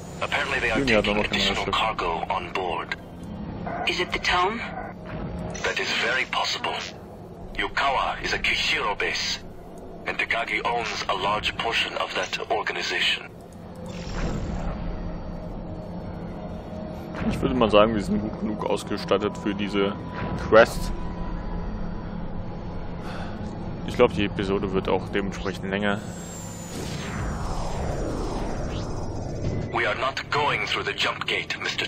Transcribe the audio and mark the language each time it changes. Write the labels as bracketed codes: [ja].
[en] Apparently they are taking additional cargo on board. Is it the Tome? That is very possible. Yukawa is a Kishiro base, and Takagi owns a large portion of that organization. [de] Ich würde mal sagen, wir sind gut genug ausgestattet für diese Quest. Ich glaube, die Episode wird auch dementsprechend länger. [en] We are not going through the jump gate, Mr.